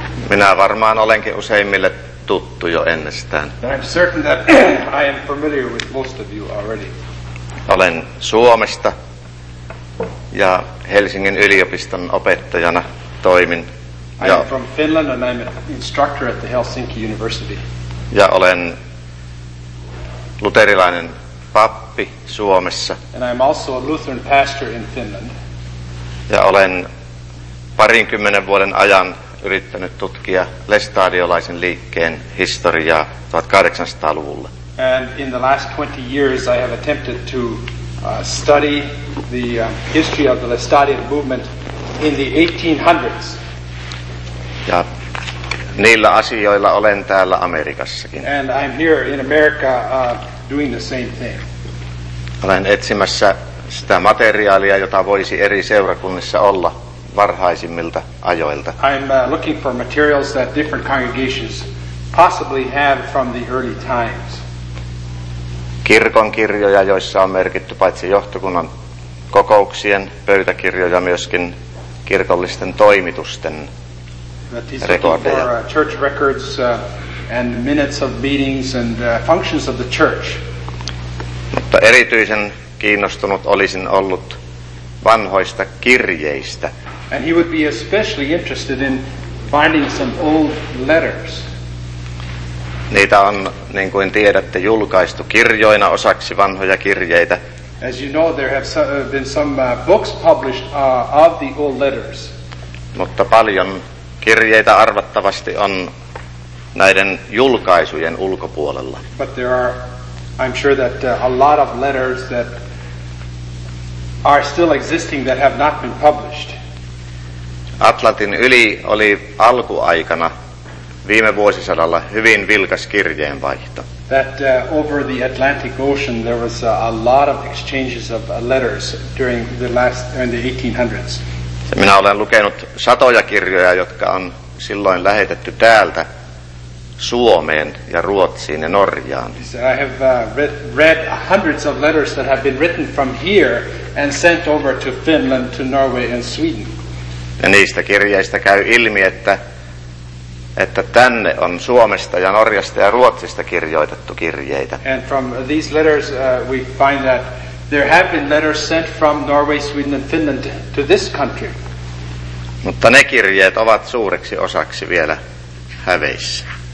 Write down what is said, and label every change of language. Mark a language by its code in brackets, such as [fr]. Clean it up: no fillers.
[fi] Minä varmaan olenkin useimmille tuttu jo ennestään. [en] I'm certain that I am familiar with most of you already. [fi] Olen Suomesta ja Helsingin yliopiston opettajana toimin. [en] I am from Finland and I'm an instructor at the Helsinki University. [fi] Ja olen luterilainen pappi Suomessa. [en] And I'm also a Lutheran pastor in Finland. [fi] Ja olen parinkymmenen vuoden ajan yrittänyt tutkia lestadiolaisen liikkeen historiaa 1800-luvulla. [en] And in the last 20 years I have attempted to study the history of the Lestadian movement in the 1800s. [fi] Ja niillä asioilla olen täällä Amerikassakin. [en] And I'm here in America doing the same thing. [fi] Olen etsimässä sitä materiaalia, jota voisi eri seurakunnissa olla varhaisimmilta ajoilta. [en] I'm looking for materials that different congregations possibly have from the early times. [fi] Kirkon kirjoja, joissa on merkitty paitsi johtokunnan kokouksien pöytäkirjoja, myöskin kirkollisten toimitusten rekordeja. [en] For church records and minutes of meetings and functions of the church. [fi] Mutta erityisen kiinnostunut olisin ollut vanhoista kirjeistä. [en] And he would be especially interested in finding some old letters. [fi] Niitä on, niin kuin tiedätte, julkaistu kirjoina osaksi vanhoja kirjeitä. [en] As you know, there have been some books published of the old letters. [fi] Mutta paljon kirjeitä arvattavasti on näiden julkaisujen ulkopuolella. [en] But there are, I'm sure that a lot of letters that are still existing that have not been published. [fi] Atlantin yli oli alkuaikana viime vuosisadalla hyvin vilkas kirjeenvaihto. [en] That over the Atlantic Ocean there was a lot of exchanges of letters during the 1800s. [fi] Ja minä olen lukenut satoja kirjoja, jotka on silloin lähetetty täältä Suomeen ja Ruotsiin ja Norjaan. [en] I have read hundreds of letters that have been written from here and sent over to Finland, to Norway and Sweden. [fi] Ja niistä kirjeistä käy ilmi, että tänne on Suomesta ja Norjasta ja Ruotsista kirjoitettu kirjeitä. [en] And from these letters we find that there have been letters sent from Norway, Sweden and Finland to this country. [fi] Mutta ne kirjeet ovat suureksi osaksi vielä häveissä.